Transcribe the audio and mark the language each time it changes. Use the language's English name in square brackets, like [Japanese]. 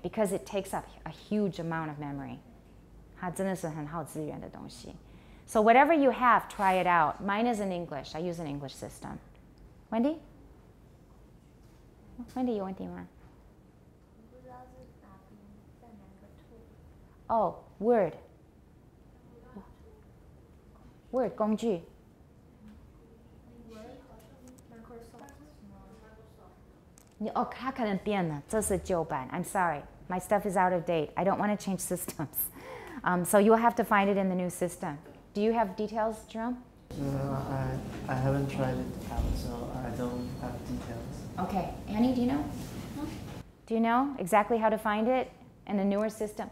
[English] Because it takes up a huge amount of memory. [Chinese] 它真的是很耗资源的东西。 [English] So whatever you have, try it out. Mine is in English. I use an English system. Wendy? [Chinese] Wendy, 有问题吗？不知道是哪边，在哪个 [English] tool。 Oh, Word. [Chinese] Word, 工具。 Oh, 它可能变了，这是旧版。 [English] I'm sorry, my stuff is out of date. I don't want to change systems. So you'll have to find it in the new system. Do you have details, Jerome? No, I haven't tried it out, so I don't have details. Okay, Annie, do you know? No. Do you know exactly how to find it in a newer system?